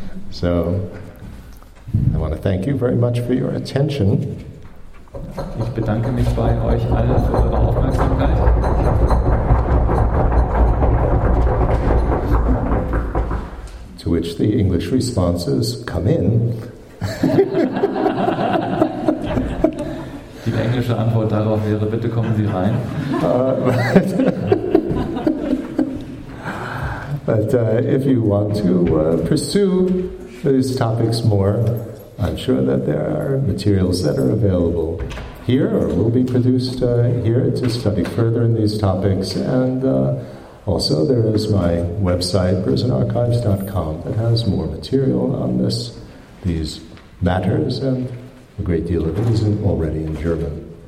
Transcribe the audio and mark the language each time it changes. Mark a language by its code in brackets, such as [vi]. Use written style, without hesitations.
[en] So, I want to thank you very much for your attention. [de] Ich bedanke mich bei euch allen für eure Aufmerksamkeit. [en] To which the English response is, come in. [de] Die englische Antwort darauf wäre, bitte kommen Sie rein. [en] But if you want to pursue these topics more, I'm sure that there are materials that are available here or will be produced here to study further in these topics. And also there is my website, prisonarchives.com, that has more material on these matters and a great deal of it isn't already in German.